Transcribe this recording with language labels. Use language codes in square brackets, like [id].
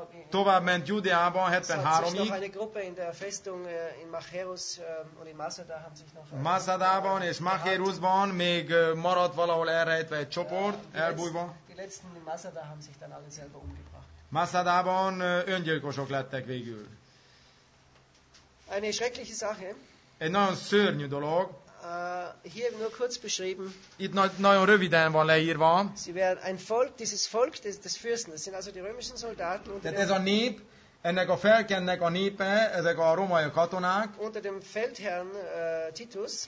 [hu] Tovább ment Judeában 73-ig. [de] Noch eine Gruppe in der Festung in Macherus und in Masada haben sich noch. [hu] Masadában és Macherusban még maradt valahol elrejtve egy csoport, elbújva. [de] Die letzten in Masada haben sich dann alle selber umgebracht. [hu] Masadában öngyilkosok lettek végül. [de] Eine schreckliche Sache. [hu] Egy nagyon szörnyű dolog. [de] Hier nur kurz beschrieben. [hu] Itt nagyon röviden van leírva. [de] Sie werden ein Volk, dieses Volk des Fürsten. Das sind also die römischen Soldaten. [hu] Tehát ez a nép, ennek a felkennek a népe, ezek a romai katonák. [de] Unter dem Feldherrn Titus.